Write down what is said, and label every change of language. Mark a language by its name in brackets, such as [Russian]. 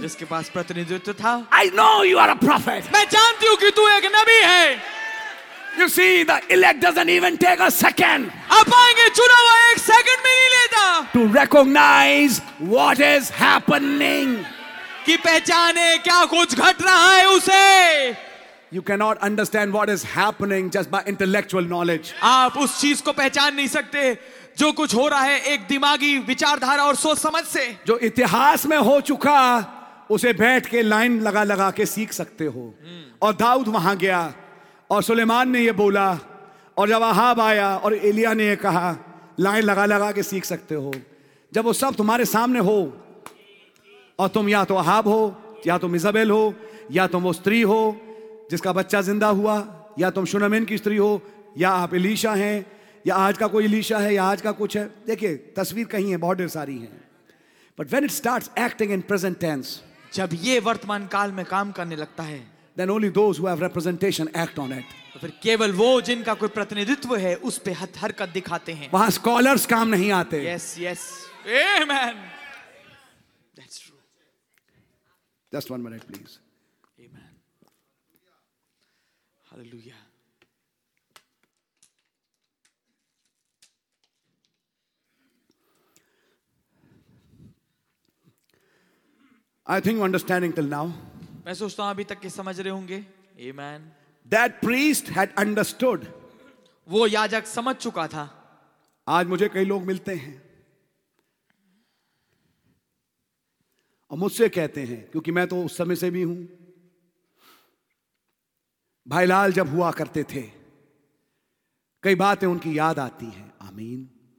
[Hindi] जिसके पास प्रतिनिधित्व था. [English] I know you are a prophet. [Hindi] मैं जानती हूँ कि तू एक नबी है. [English] You see, the elect doesn't even take a second. [Hindi] आप आएंगे चुनाव एक सेकंड में नहीं लेता. [English] To recognize what is happening. [Hindi] कि पहचाने क्या कुछ घट रहा है उसे. [English] You cannot understand what is happening just by intellectual knowledge. [Hindi] आप उस चीज को पहचान नहीं सकते जो कुछ हो रहा है एक दिमागी विचारधारा और सोच समझ से. जो इतिहास में हो चुका उसे बैठ के लाइन लगा लगा के सीख सकते हो. और दाऊद वहां गया और सुलेमान ने ये बोला और जब अहाब आया और एलिया ने ये कहा, लाइन लगा लगा के सीख सकते हो. जब वो सब तुम्हारे सामने हो और तुम या तो अहाब हो, या तुम इजाबेल हो, या तुम वो स्त्री हो जिसका बच्चा जिंदा हुआ, या तुम शुनमिन की स्त्री हो, या आप एलीशा हैं, या आज का कोई एलीशा है, या आज का कुछ है. देखिए तस्वीर कहीं है, बहुत ढेर सारी है. [English] but when it start acting in present tense, [Hindi] जब ये वर्तमान काल में काम करने लगता है, [English] then only those who have representation act on it. [Hindi] फिर केवल वो जिनका कोई प्रतिनिधित्व है उस पे हथ हरकत दिखाते हैं. वहां स्कॉलर्स काम नहीं आते. [English] Yes, yes. Amen. That's true. Just one minute, please. Amen. Hallelujah. I think understanding till now. [Hindi] मैं सोचता हूं अभी तक के समझ रहे होंगे. [English] Amen. That priest had understood. [Hindi] वो याजक समझ चुका था. आज मुझे कई लोग मिलते हैं और मुझसे कहते हैं, क्योंकि मैं तो उस समय से भी हूं, भाई लाल जब हुआ करते थे कई बातें उनकी याद आती हैं. आमीन.